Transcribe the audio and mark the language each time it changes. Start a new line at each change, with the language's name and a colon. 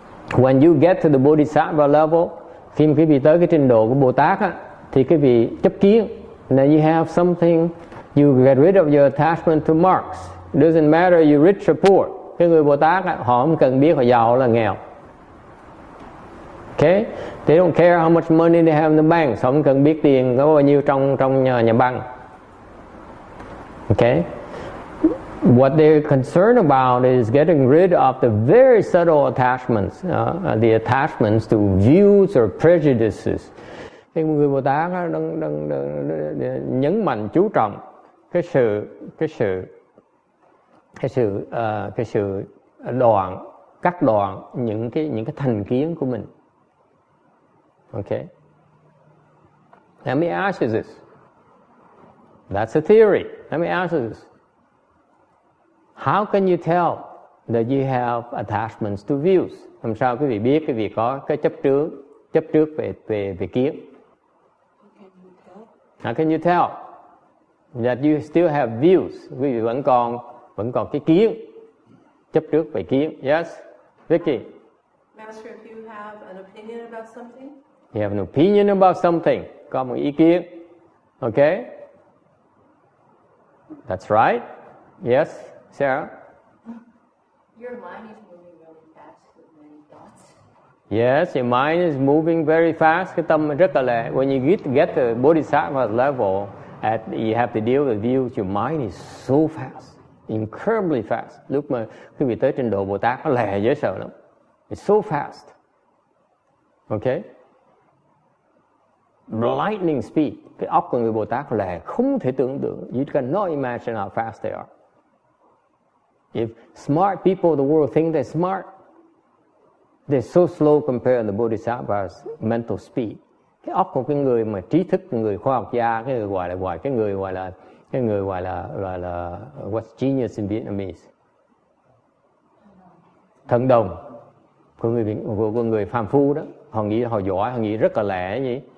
English: When you get to the Bodhisattva level,
Vietnamese: khi mà quý vị tới cái trình độ của Bồ Tát á, thì quý vị chấp kiến.
English: Now you have something, you get rid of your attachment to marks. Doesn't matter you rich or poor.
Vietnamese: Cái người Bồ Tát á, họ không cần biết họ giàu là nghèo.
English: Okay, they don't care how much money they have in the bank.
Vietnamese: Họ không cần biết tiền có bao nhiêu trong nhà băng.
English: Okay, what they're concerned about is getting rid of the very subtle attachments, the attachments to views or prejudices.
Vietnamese: Cái người Bồ Tát đang nhấn mạnh chú trọng cái sự đoạn, cắt đoạn những cái thành kiến của mình.
English: Okay. Let me ask you this. That's a theory. Let me ask you this. How can you tell that you have attachments to views?
Vietnamese: Làm sao quý vị biết quý vị có cái chấp trước về kiến?
English: How can you tell that you still have views?
Vietnamese: Quý vị vẫn còn cái kiến, chấp trước về kiến.
English: Yes, Vicky. Master, if you have an opinion about something. You have an opinion about something.
Vietnamese: Có một ý kiến.
English: Okay? That's right. Yes, Sarah? Your mind is moving really fast with many thoughts. Yes, your mind is moving very fast.
Vietnamese: Cái tâm rất là lẹ.
English: When you get to Bodhisattva level, you have to deal with views. Your mind is so fast. Incredibly fast.
Vietnamese: Lúc mà khi bị tới trình độ Bồ Tát, nó lẹ dễ sợ lắm.
English: It's so fast.
Vietnamese: Okay?
English: Lightning speed.
Vietnamese: Cái óc của người Bồ Tát là không thể tưởng tượng.
English: You cannot imagine how fast they are. If smart people of the world think they're smart, they're so slow compared to the Bodhisattva's mental speed.
Vietnamese: Cái óc của cái người mà trí thức, người khoa học gia, cái người gọi là
English: what's genius in Vietnamese?
Vietnamese: Thần đồng của người phàm phu đó. Họ nghĩ họ giỏi, họ nghĩ rất là lẹ gì.